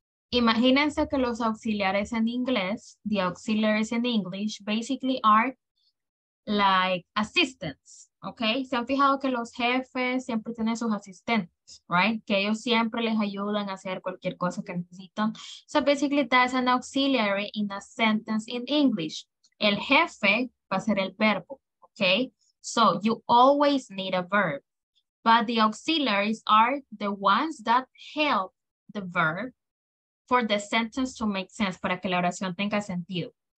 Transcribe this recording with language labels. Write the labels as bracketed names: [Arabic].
[Spanish] Imagínense que los auxiliares en inglés, [English] the auxiliaries in English, basically are like assistants, okay? [Spanish] ¿Se han fijado que los jefes siempre tienen sus asistentes, [English] right? [Spanish] Que ellos siempre les ayudan a hacer cualquier cosa que necesitan. [English] So basically that's an auxiliary in a sentence in English. [Spanish] El jefe va a ser el verbo, [English] okay? So you always need a verb. But the auxiliaries are the ones that help the verb for the sentence to make sense, [Spanish] para que la oración tenga sentido.